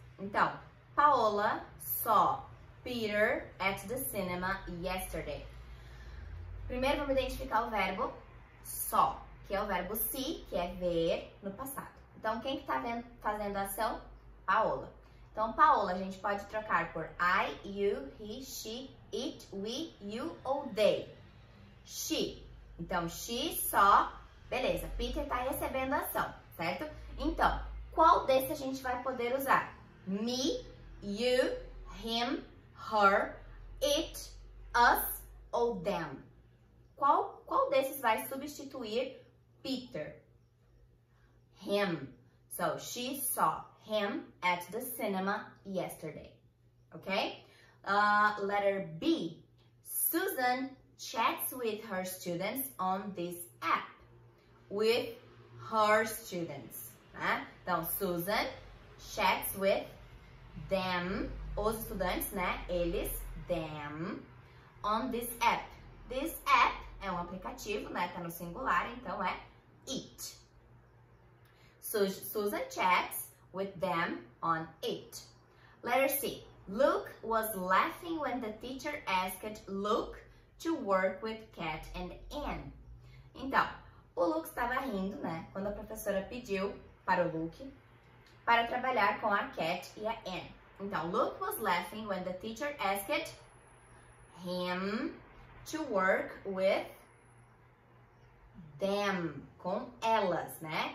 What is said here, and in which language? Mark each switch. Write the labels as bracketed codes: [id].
[pt] Então, [en] Paola saw Peter at the cinema yesterday. [pt] Primeiro vamos identificar o verbo saw, que é o verbo see, que é ver no passado. Então, quem que tá vendo, fazendo a ação? Paola. Então, Paola, a gente pode trocar por [en] I, you, he, she, it, we, you [pt] ou [en] they. [pt] She. Então, [en] she saw. [pt] Beleza, Peter tá recebendo ação, certo? Então, qual desse a gente vai poder usar? [en] Me, you, him, her, it, us [pt] ou [en] them? [pt] Qual desses vai substituir Peter? Him. [en] So, she saw him at the cinema yesterday. Ok? Letter B. Susan chats with her students on this app. With her students. Né? Então, Susan chats with them, [pt] os estudantes, né? [en] Eles, them, on this app. This app [pt] é um aplicativo, né? Tá no singular, então é [en] it. Susan chats with them on it. Letter C. Luke was laughing when the teacher asked Luke to work with Kat and Anne. [pt] Então, o Luke estava rindo, né? Quando a professora pediu para o Luke para trabalhar com a Kat e a Anne. [en] Então, Luke was laughing when the teacher asked him to work with them, [pt] com elas, né?